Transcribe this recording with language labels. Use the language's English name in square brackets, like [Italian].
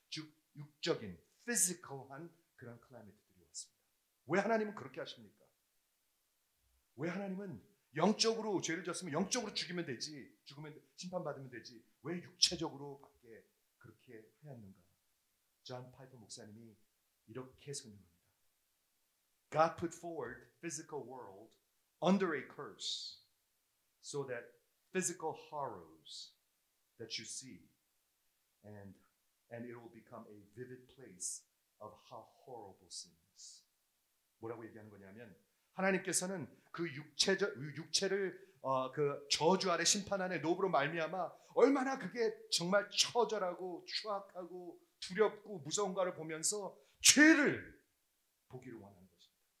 [Korean] 즉 육적인 physical한 그런 클라미티들이 왔습니다. 왜 하나님은 그렇게 하십니까? 왜 하나님은 영적으로 죄를 지었으면 영적으로 죽이면 되지, 죽으면 심판받으면 되지 왜 육체적으로 밖에 그렇게 하였는가? 존 파이퍼 목사님이 이렇게 설명합니다. [English] God put forward physical world under a curse so that physical horrors that you see and it will become a vivid place of how horrible sins. [Korean] 뭐라고 얘기하는 거냐면 하나님께서는 그 육체를 그 저주 아래 심판 안에 노브로 말미암아 얼마나 그게 정말 처절하고 추악하고 두렵고 무서운가를 보면서 죄를 보기를 원하는 것입니다.